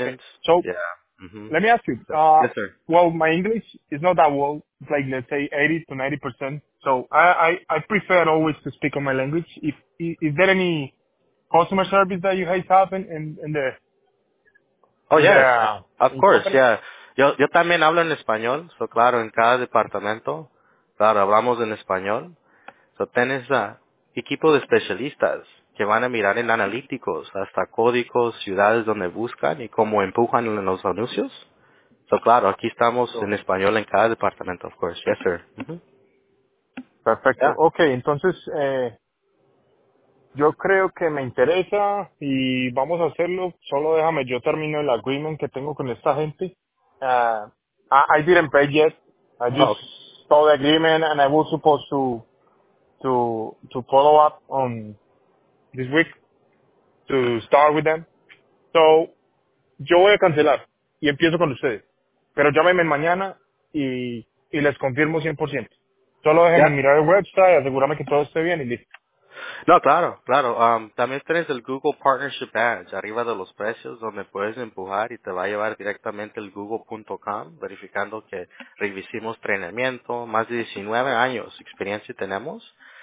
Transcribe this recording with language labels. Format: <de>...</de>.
<en>Okay. So, yeah. Mm-hmm. Let me ask you. Yes, sir. Well, my English is not that well, like let's say 80 to 90%. So I prefer always to speak on my language. Is there any customer service that you guys have in the? Oh yeah, of course, yeah. Yo también hablo en español.</en> <es>So claro, en cada departamento, claro, hablamos en español. So tienes equipo de especialistas que van a mirar en analíticos, hasta códigos, ciudades donde buscan y cómo empujan en los anuncios. So claro, aquí estamos en español en cada departamento, of course.</es> <en>Yes, sir. Mm-hmm.</en> <es>Perfecto. Yeah. Okay, entonces yo creo que me interesa y vamos a hacerlo. Solo déjame, yo termino el agreement que tengo con esta gente.</es> <en>I didn't pay yet. I just saw the agreement and I was supposed to follow up on this week to start with them.</en> <es>So yo voy a cancelar y empiezo con ustedes. Pero llámenme mañana y les confirmo 100%. Solo dejen mirar el website, asegúrame que todo esté bien y listo. No, claro. También tienes el Google Partnership Badge arriba de los precios donde puedes empujar y te va a llevar directamente el google.com verificando que revisimos entrenamiento, más de 19 años experiencia tenemos.</es>